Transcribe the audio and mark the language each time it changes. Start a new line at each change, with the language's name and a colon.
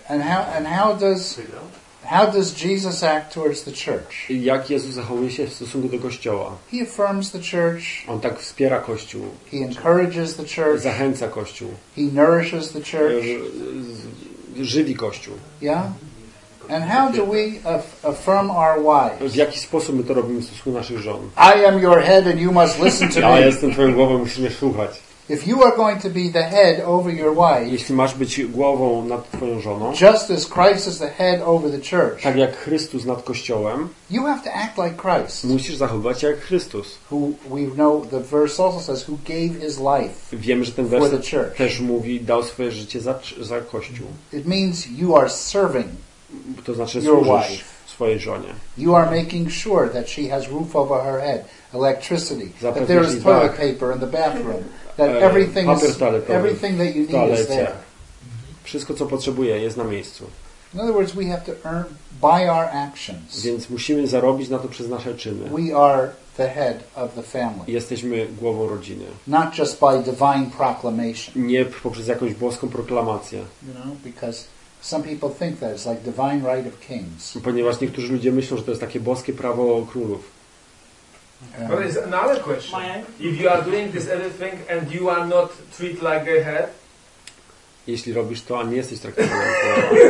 English: And how does Jesus act towards the church?
Polish: Jak Jezus zachowuje się w stosunku do Kościoła?
English: He affirms the church.
Polish: On tak wspiera Kościół.
English: He encourages the church.
Polish: Zachęca Kościół.
English: He nourishes the church.
Polish: Żywi Kościół.
English: Yeah? And how do we affirm our wives?
Polish: W jaki sposób my to robimy w stosunku naszych żon?
English: I am your head and you must listen to me.
Polish: Ja jestem twoją głową, musisz mnie słuchać.
English: If you are going to be the head over your wife,
Polish: jeśli masz być głową nad twoją żoną,
English: just as Christ is the head over the church,
Polish: tak jak Chrystus nad Kościołem,
English: you have to act like Christ.
Polish: Musisz zachowywać jak Chrystus.
English: Who we know the verse also says who gave his life.
Polish: Wiemy, że ten werset też mówi, dał swoje życie za Kościół.
English: It means you are serving.
Polish: To znaczy służysz swojej żonie.
English: You are making sure that she has roof over her head, electricity, that there is toilet paper in the bathroom. Everything that you need is there.
Polish: Wszystko co potrzebuje jest na miejscu.
English: In other words, we have to earn by our actions.
Polish: Więc musimy zarobić na to przez nasze czyny.
English: We are the head of the family.
Polish: Jesteśmy głową rodziny.
English: Not just by divine proclamation.
Polish: Nie poprzez jakąś boską proklamację.
English: You know, because some people think that it's like divine right of kings.
Polish: Ponieważ niektórzy ludzie myślą, że to jest takie boskie prawo królów.
English: But it's another question. If you are doing this everything and you are not treated like a head,
Polish: jeśli robisz to, a nie jesteś traktowany jako